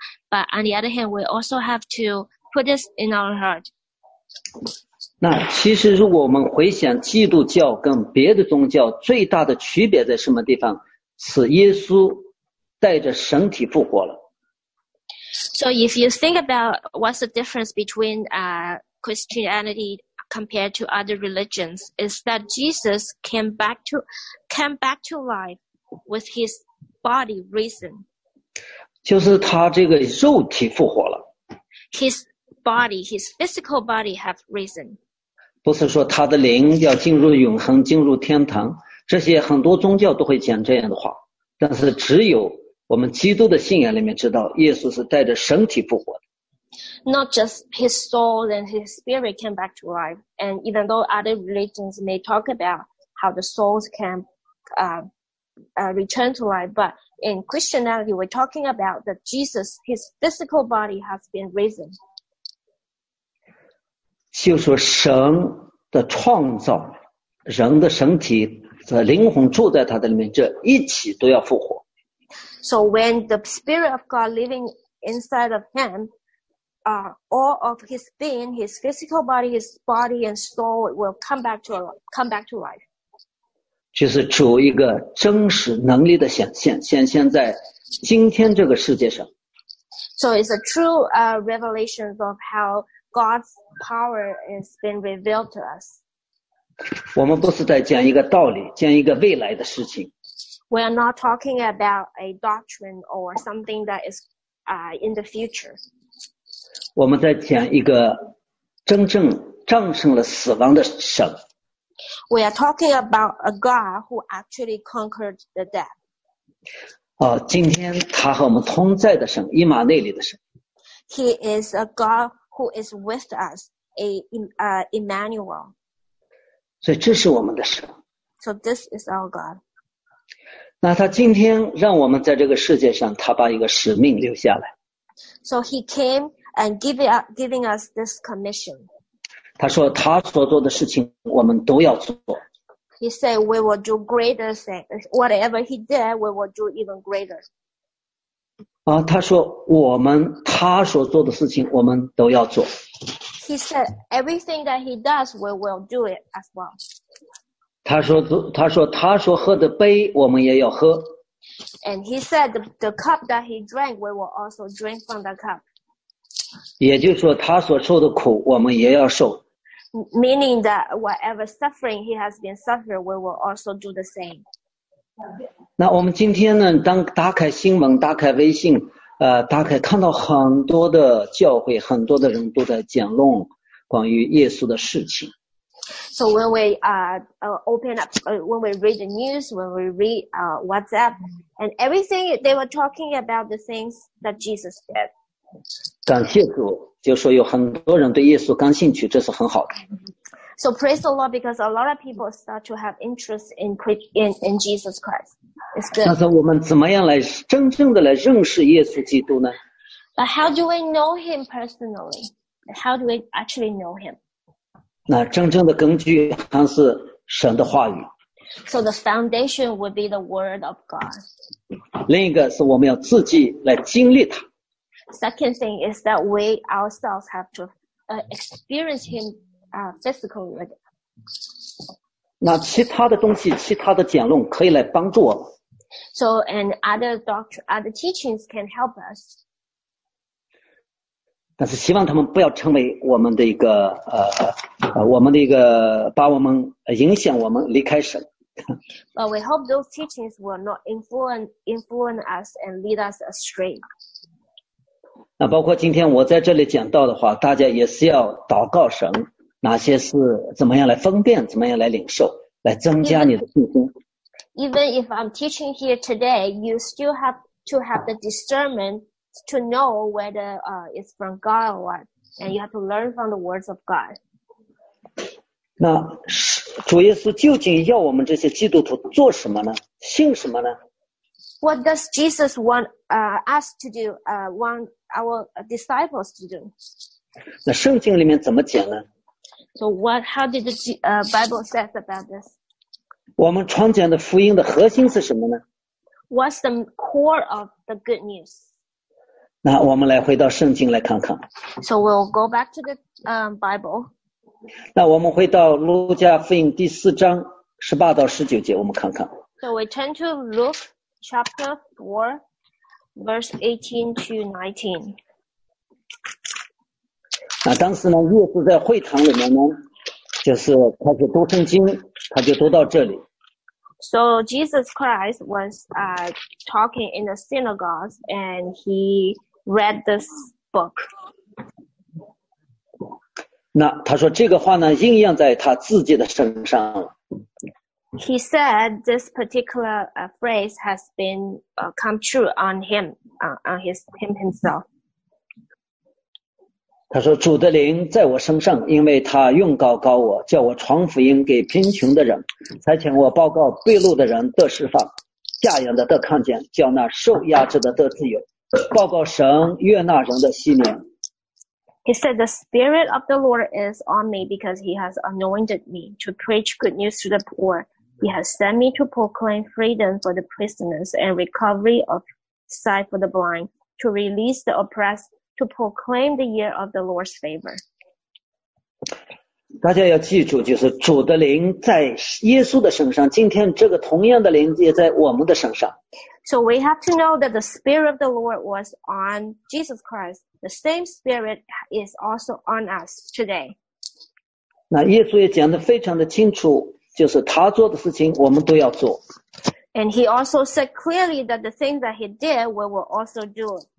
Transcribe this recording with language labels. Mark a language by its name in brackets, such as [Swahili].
[English] But on the other hand, we also have to put this in our heart. [Chinese] 那其实如果我们回想基督教跟别的宗教最大的区别在什么地方，是耶稣带着身体复活了。 [English] So if you think about what's the difference between Christianity compared to other religions, is that Jesus came back to life with his body risen. [Chinese] 就是他这个肉体复活了。 [English] His body, his physical body have risen. [Chinese] 不是说他的灵要进入永恒，进入天堂，这些很多宗教都会讲这样的话，但是只有我们基督的信仰里面知道，耶稣是带着身体复活的。 [English] Not just his soul and his spirit came back to life. And even though other religions may talk about how the souls can return to life, but in Christianity, we're talking about that Jesus, his physical body has been risen. [Chinese] 就说神的创造，人的身体和灵魂住在他的里面，这一起都要复活。 [English] So when the spirit of God living inside of him,all of his being, his physical body, his body and soul will come back to life. [Chinese] 就是主一个真实能力的显现在今天这个世界上。 [English] So it's a true revelation of how God's power has been revealed to us. [Chinese] 我们不是在讲一个道理，讲一个未来的事情。 [English] We are not talking about a doctrine or something that is in the future. [Chinese] 我们在讲一个真正战胜了死亡的神。 [English] We are talking about a God who actually conquered the death. [Chinese] 今天他和我们同在的神，以马内利的神。 [English] He is a God who is with us, Emmanuel. [Chinese] 所以这是我们的神。 [English] So this is our God. [Chinese] 那他今天让我们在这个世界上，他把一个使命留下来。 [English] So he came. And giving us this commission. [Chinese] 他说他所做的事情我们都要做。 [English] He said we will do greater things. Whatever he did, we will do even greater. [Chinese] 他说他所做的事情我们都要做。 [English] He said everything that he does, we will do it as well. [Chinese] 他说喝的杯我们也要喝。 [English] And he said the cup that he drank, we will also drink from the cup. [Chinese] 也就是说他所受的苦我们也要受。 [English] Meaning that whatever suffering he has been suffering, we will also do the same. [Chinese] 那我们今天呢，当打开新闻，打开微信，打开看到很多的教会，很多的人都在讲论关于耶稣的事情。 [English] So when we open up, when we read the news, when we read WhatsApp, and everything, they were talking about the things that Jesus did. [Chinese] 感谢主，就说有很多人对耶稣感兴趣，这是很好的。 [English] So praise the Lord because a lot of people start to have interest in Jesus Christ. It's good. [Chinese] 但是我们怎么样来真正的来认识耶稣基督呢？ [English] But how do we know him personally? How do we actually know him? [Chinese] 那真正的根据还是神的话语。 [English] So the foundation would be the word of God. [Chinese] 另一个是我们要自己来经历它。 [English] Second thing is that we ourselves have to experience him physically. [Chinese] 那其他的东西，其他的讲论可以来帮助我们。 [English] So, and other doctrine, other teachings can help us. [Chinese] 但是希望他们不要成为我们的一个我们的一个把我们影响我们离开神。 [English] But we hope those teachings will not influence us and lead us astray. [Chinese] 那包括今天我在这里讲到的话，大家也是要祷告神。哪些是怎么样来分辨，怎么样来领受，来增加你的信心。 [English] Even if I'm teaching here today, you still have to have the discernment to know whether it's from God or what, and you have to learn from the words of God. [Chinese] 那主耶稣究竟要我们这些基督徒做什么呢？信什么呢？ [English] What does Jesus want us to do, want our disciples to do? [Chinese] 那圣经里面怎么讲呢？ [English] So what, how did the Bible says about this? [Chinese] 我们传讲的福音的核心是什么呢？ [English] What's the core of the good news? [Chinese] 那我们来回到圣经来看看。 [English] So we'll go back to the Bible. [Chinese] 那我们回到路加福音第四章18到19节我们看看。 [English] So we turn to Luke chapter 4 verse 18 to 19. [Chinese] 那当时呢，耶稣在会堂里面呢，就是他就读圣经，他就读到这里。 [English] So Jesus Christ was talking in the synagogue and he read this book. [Chinese] 那他说这个话呢，应验在他自己的身上。 [English] He said this particular phrase has been come true on him, on his him himself. [Chinese] 他说主的灵在我身上因为他用膏膏我叫我传福音给贫穷的人差遣我报告被掳的人得释放下眼的得看见叫那受压制的得自由报告神悦纳人的喜悦 [English] He said the spirit of the Lord is on me because he has anointed me to preach good news to the poor he has sent me to proclaim freedom for the prisoners and recovery of sight for the blind to release the oppressedTo proclaim the year of the Lord's favor. [Chinese] 大家要记住，就是主的灵在耶稣的身上。今天这个同样的灵也在我们的身上。 [English] So we have to know that the Spirit of the Lord was on Jesus Christ. The same Spirit is also on us today. [Chinese] 那耶稣也讲得非常的清楚，就是他做的事情，我们都要做。 [English] And he also said clearly that the thing that he did, we will also do.